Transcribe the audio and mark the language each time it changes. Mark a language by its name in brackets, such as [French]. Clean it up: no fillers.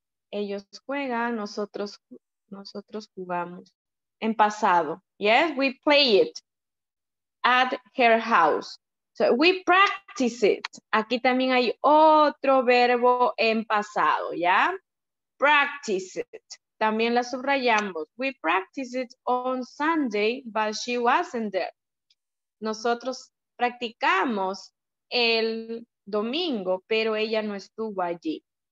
[Spanish] Ellos juegan, nosotros jugamos. En pasado, [English] yes, we play it at her house. So we practice it. [Spanish] Aquí también hay otro verbo en pasado, ¿ya? [English] Practice it. [Spanish] También la subrayamos. [English] We practice it on Sunday, but she wasn't there. [Spanish] Nosotros practicamos el domingo, pero ella no estuvo allí.